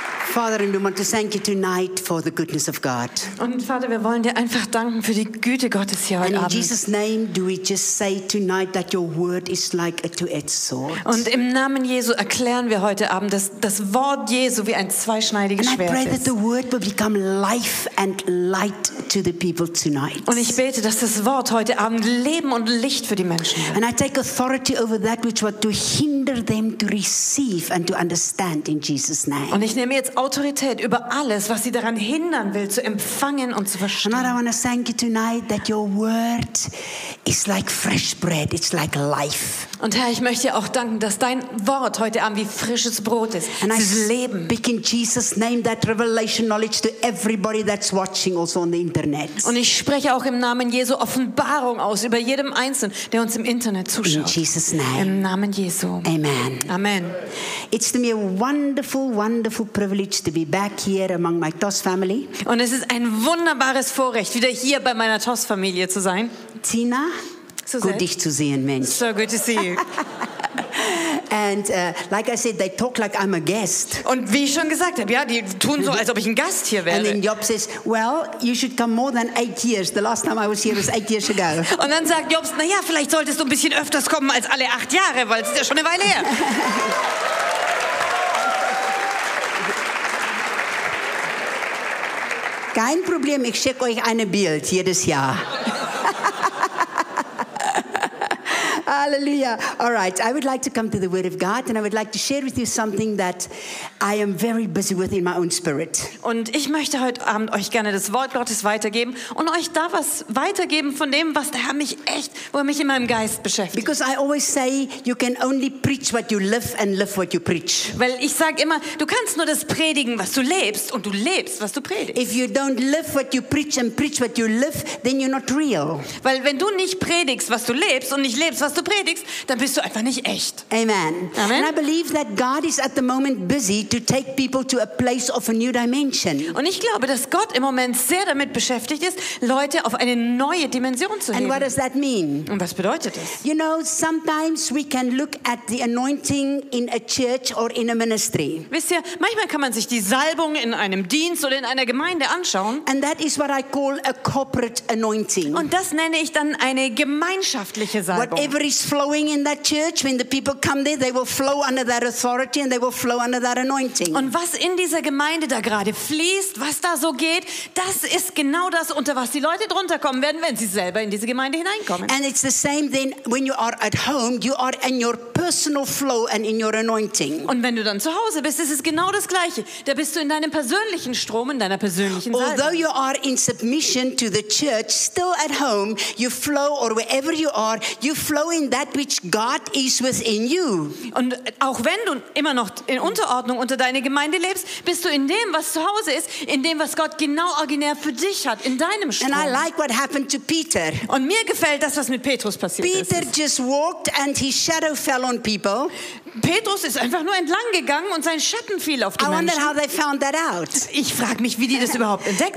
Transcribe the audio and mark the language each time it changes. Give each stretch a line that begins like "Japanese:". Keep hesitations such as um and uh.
English: Father, and we want to thank you tonight for the goodness of God.
German: Und Vater, wir wollen dir einfach danken für die Güte Gottes hier
English: And
German: heute in Abend.
English: Jesus' name, do we just say tonight that your word is like a two edged sword?
German: Und im Namen Jesu erklären wir heute Abend, dass das Wort Jesu wie ein zweischneidiges
English: And I pray
German: Schwert
English: that
German: ist.
English: the word will become life and light to the people tonight.
German: Und ich bete, dass das Wort heute Abend Leben und Licht für die Menschen wird.
English: And I take authority over that which was to hinder them to receive and to understand in Jesus' name.
German: Und ich nehme jetzt Autorität über alles, was sie daran hindern will, zu empfangen und zu
English: And
German: verstehen.
English: Lord, I want to thank you tonight that your word is like fresh bread, it's like life.
German: Und Herr, ich möchte dir auch danken, dass dein Wort heute Abend wie frisches Brot ist.
English: And I
German: Es ist Leben.
English: speak in Jesus' name that revelation knowledge to everybody that's watching also on the internet.
German: Und ich spreche auch im Namen Jesu Offenbarung aus über jedem Einzelnen, der uns im Internet
English: In
German: zuschaut.
English: Jesus' name.
German: Im Namen Jesu.
English: Amen.
German: Amen.
English: It's to me a wonderful, wonderful privilege to be back here among my TOS family.
German: Und es ist ein wunderbares Vorrecht, wieder hier bei meiner TOS-Familie zu sein.
English: Tina, Suzette. good
German: dich zu sehen, Mensch.
English: So good to see you. And uh, like I said, they talk like I'm a guest.
German: Und wie ich schon gesagt habe, ja, die tun so, als ob ich ein Gast hier
English: And
German: wäre.
English: then Job says, Well, you should come more than eight years. The last time I was here was eight years ago.
German: Und dann sagt Jobst, naja, vielleicht solltest du ein bisschen öfters kommen als alle acht Jahre, weil es ist ja schon eine Weile her. Kein Problem, ich schicke euch ein Bild jedes Jahr. Hallelujah.
English: All right, I would like to come to the Word of God and I would like to share with you something that I am very busy with in my own spirit.
German: Und ich möchte heute Abend euch gerne das Wort Gottes weitergeben und euch da was weitergeben von dem, was der Herr mich echt, wo er mich in meinem Geist beschäftigt.
English: Because I always say you can only preach what you live and live what you preach.
German: Weil ich sage immer, du kannst nur das predigen, was du lebst und du lebst, was du predigst.
English: If you don't live what you preach and preach what you live, then you're not real.
German: Weil wenn du nicht predigst, was du lebst und nicht lebst, was du predigst, dann bist du einfach nicht echt.
English: Amen.
German: Amen.
English: And I believe that God is at the moment busy to take people to a place of a new dimension.
German: Und ich glaube, dass Gott im Moment sehr damit beschäftigt ist, Leute auf eine neue Dimension zu
English: And what
German: heben.
English: does that mean?
German: Und was bedeutet das?
English: You know, sometimes we can look at the anointing in a church or in a ministry.
German: Wisst ihr, manchmal kann man sich die Salbung in einem Dienst oder in einer Gemeinde anschauen.
English: And that is what I call a corporate anointing.
German: Und das nenne ich dann eine gemeinschaftliche Salbung.
English: Whatever is flowing in that church, when the people come there, they will flow under that authority and they will flow under that anointing.
German: Und was in dieser Gemeinde da gerade fließt, was da so geht, das ist genau das, unter was die Leute drunter kommen werden, wenn sie selber in diese Gemeinde hineinkommen.
English: And it's the same then when you are at home, you are in your personal flow and in your anointing.
German: Und wenn du dann zu Hause bist, ist es genau das Gleiche. Da bist du in deinem persönlichen Strom, in deiner persönlichen
English: Although
German: Salbung.
English: you are in submission to the church, still at home, you flow, or wherever you are, you flow in that which God is within you.
German: Und auch wenn du immer noch in Unterordnung unter deine Gemeinde lebst, bist du in dem, was zu Hause ist, in dem, was Gott genau originär für dich hat, in deinem
English: And I
German: Strom.
English: like what happened to Peter.
German: Und mir gefällt das, was mit Petrus passiert ist.
English: Peter just walked and his shadow fell on people.
German: Petrus ist einfach nur entlang gegangen und sein Schatten fiel auf die
English: I wonder
German: Menschen.
English: how they found that out.
German: Ich frage mich, wie die das überhaupt entdeckt